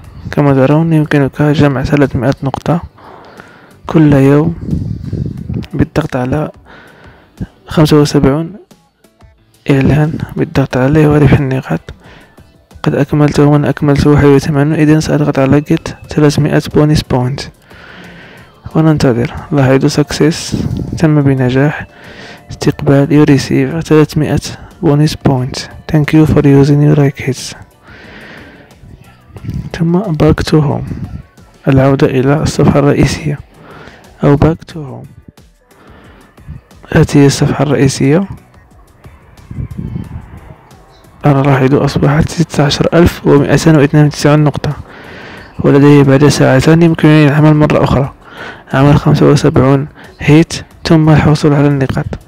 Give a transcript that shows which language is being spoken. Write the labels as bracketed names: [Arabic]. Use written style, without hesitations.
[Arabic] كما ترون يمكنك جمع 300 نقطة كل يوم بالضغط على 75 إعلان، بالضغط عليه وربح النقاط. قد أكملته من أكملته 81، إذن سأضغط على get 300 بونس بوينت وننتظر. لاحظوا success، تم بنجاح استقبال [English] you receive 300 [Arabic] بونس بوينت. [English] Thank you for using your like hits. [Arabic] ثم [English] back to home، [Arabic] العودة إلى الصفحة الرئيسية أو [English] back to home. [Arabic] هذه الصفحة الرئيسية، أنا لاحظ أصبحت 16,192 نقطة، ولدي بعد ساعتين يمكنني العمل مرة أخرى، عمل 75 هيت ثم الحصول على النقاط.